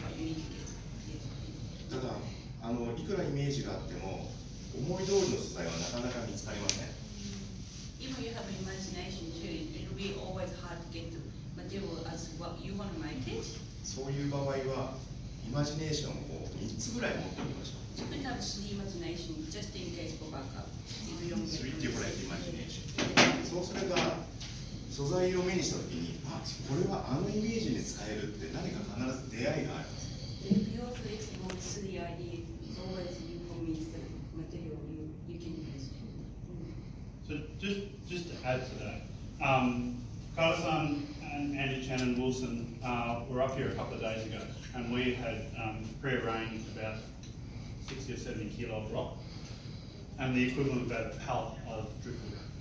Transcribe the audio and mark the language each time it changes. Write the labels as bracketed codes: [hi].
[ja] ただいくらイメージがあっても思い通りの素材はなかなか見つかりません。 [en] Even you have imagination too, it will be always hard to get material as what you want to make it. [ja] そういう場合はイマジネーションを3つぐらい持ってみましょう。 [en] You can have three imagination just in case for backup. Three different imagination. [ja] そうすれば素材を目にしたときに、あ、これはあのイメージに使えるって何か必ず出会いがあります。 [en] If you also explore three ideas, always you can use the material you can use. So just to add to that, Carlos-san and Andy Chan and Wilson were up here a couple of days ago, and we had pre-arranged about 60 or 70 kilo of rock, and the equivalent of about a pallet of driftwood.